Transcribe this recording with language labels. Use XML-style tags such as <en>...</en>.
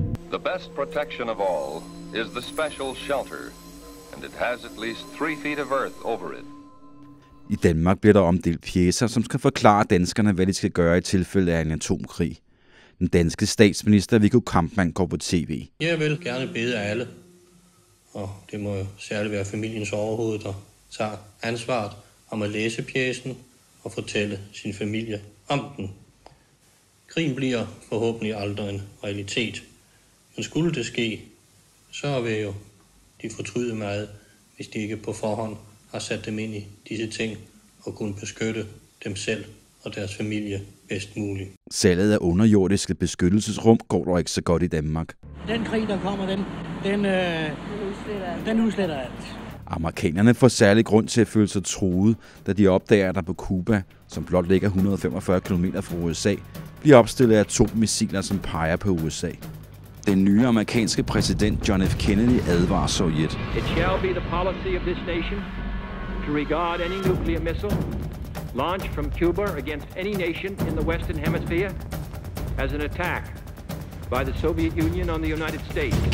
<en>The best protection of all is the special shelter, and it has at least 3 feet of earth over it.</en> <da>I Danmark bliver der omdelt pjecer, som skal forklare danskerne, hvad de skal gøre i tilfælde af en atomkrig. Den danske statsminister Viggo Kampmann går på tv. Jeg vil gerne bede alle, og det må jo særligt være familiens overhoved, der tager ansvaret om at læse pjæsen og fortælle sin familie om den. Krigen bliver forhåbentlig aldrig en realitet. Men skulle det ske, så vil jo de fortryde meget, hvis de ikke på forhånd har sat dem ind i disse ting og kunne beskytte dem selv og deres familie bedst muligt. Salget af underjordiske beskyttelsesrum går dog ikke så godt i Danmark. Den krig, der kommer, den udsletter alt. Amerikanerne får særlig grund til at føle sig truet, da de opdager, at der på Cuba, som blot ligger 145 km fra USA, bliver opstillet atommissiler, som peger på USA. Den nye amerikanske præsident John F. Kennedy advarer Sovjet.</da> <en>It shall be the policy of this nation to regard any nuclear missile launched from Cuba against any nation in the Western Hemisphere as an attack by the Soviet Union on the United States.</en>